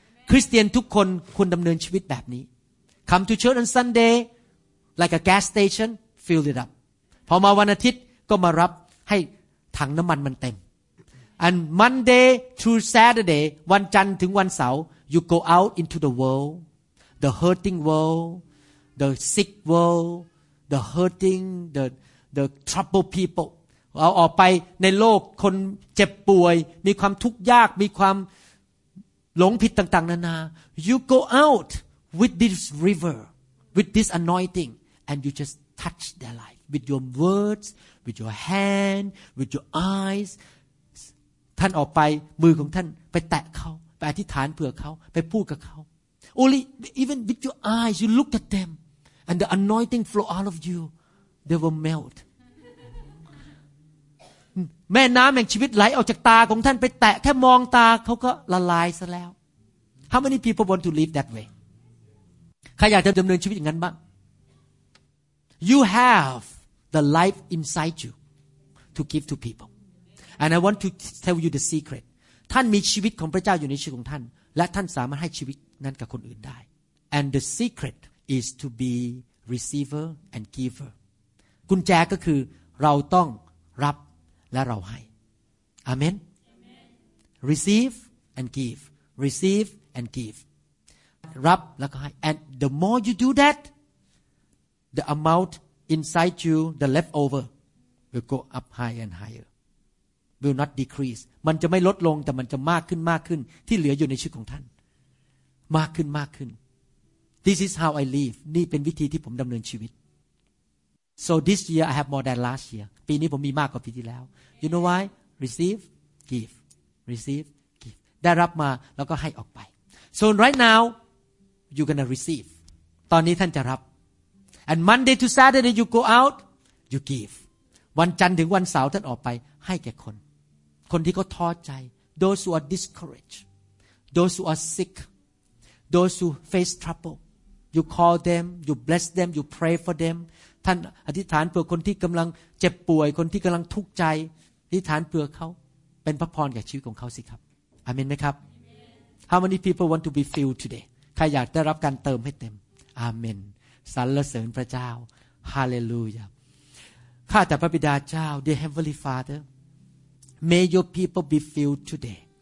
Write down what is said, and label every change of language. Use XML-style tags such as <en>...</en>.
<th>คริสเตียนทุกคนควรดำเนินชีวิตแบบนี้</th> <en>Come to church on Sunday like a gas station, fill it up.</en> <th>พอมาวันอาทิตย์ก็มารับให้ถังน้ำมันมันเต็ม</th> <en>And Monday through Saturday,</en> <th>วันจันทร์ถึงวันเสาร์</th> <en>you go out into the world, the hurting world. The sick world, the hurting, the troubled people.</en> <th>เอาออกไปในโลกคนเจ็บป่วยมีความทุกข์ยากมีความหลงผิดต่างๆนานา</th> <en>You go out with this river, with this anointing, and you just touch their life with your words, with your hand, with your eyes.</en> <th>ท่านออกไปมือของท่านไปแตะเขาไปอธิษฐานเผื่อเขาไปพูดกับเขา</th> <en>Only, even with your eyes, you look at them, and the anointing flow out of you, they will melt.</en> <th>แม่น้ำแห่งชีวิตไหลออกจากตาของท่านไปแตะแค่มองตาเขาก็ละลายซะแล้ว</th> <en>How many people want to live that way?</en> <th>ใครอยากจะดำเนินชีวิตอย่างนั้นบ้าง</th> <en>You have the life inside you to give to people. And I want to tell you the secret.</en> <th>ท่านมีชีวิตของพระเจ้าอยู่ในชีวิตของท่านและท่านสามารถให้ชีวิตนั่นกับคนอื่นได้</th> <en>and the secret is to be receiver and giver</en> <th>กุญแจก็คือเราต้องรับและเราให้ amen, amen.</th> <en>receive and give</en> <th>รับแล้วก็ให้</th> <en>and the more you do that the amount inside you the leftover will go up higher and higher will not decrease</en> <th>มันจะไม่ลดลงแต่มันจะมากขึ้นมากขึ้น</th> <en>ที่เหลืออยู่ในชีวิตของท่านมากขึ้นมากขึ้น This is how I live</en> <th>นี่เป็นวิธีที่ผมดำเนินชีวิต</th> <en>So this year I have more than last year.</en> <th>ปีนี้ผมมีมากกว่าปีที่แล้ว</th> <en>You know why? Receive, give. Receive, give.</en> <th>ได้รับมาแล้วก็ให้ออกไป</th> <en>So right now, you're going to receive.</en> <th>ตอนนี้ท่านจะรับ</th> <en>And Monday to Saturday you go out, you give.</en> <th>วันจันทร์ถึงวันเสาร์ท่านออกไปให้แก่คนคนที่เขาท้อใจ</th> <en>Those who are discouraged. Those who are sick. Those who face trouble. You call them, you bless them, you pray for them.</en> <th>ท่านอธิษฐานเผื่อคนที่กำลังเจ็บป่วยคนที่กำลังทุกข์ใจอธิษฐานเผื่อเขาเป็นพระพรแก่ชีวิตของเขาสิครับอาเมนไหมครับ</th> <en>How many people want to be filled today?</en> <th>ใครอยากได้รับการเติมให้เต็มอาเมนสรรเสริญพระเจ้าฮาเลลูยาข้าแต่พระบิดาเจ้า</th> <en>Dear Heavenly Father, May your people be filled today.</en>